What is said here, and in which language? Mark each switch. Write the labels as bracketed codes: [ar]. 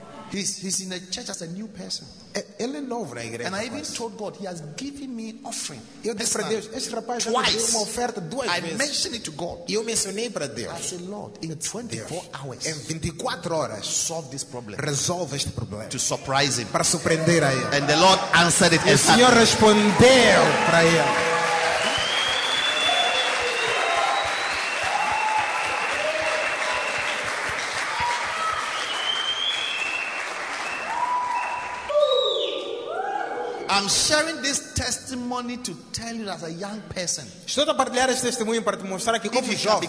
[en] He's in the church as a new person. [pt] Ele é novo na igreja. [en] And I even told God he has given me an offering. [pt] Eu disse para Deus, esse rapaz já me deu uma oferta 2 vezes. [en] I mentioned it to God. [pt] E eu mencionei para Deus. [en] I said, Lord, in 24 hours. [pt] Em 24 horas, [en] solve this problem. [pt] Resolve este problema. [en] To surprise him. [pt] Para surpreender a ele. [en] And the Lord answered it. [pt] O Senhor respondeu para ele. [en] I'm sharing this testimony to tell you as a young person. [pt] Estou a partilhar este testemunho para te mostrar que como jovem,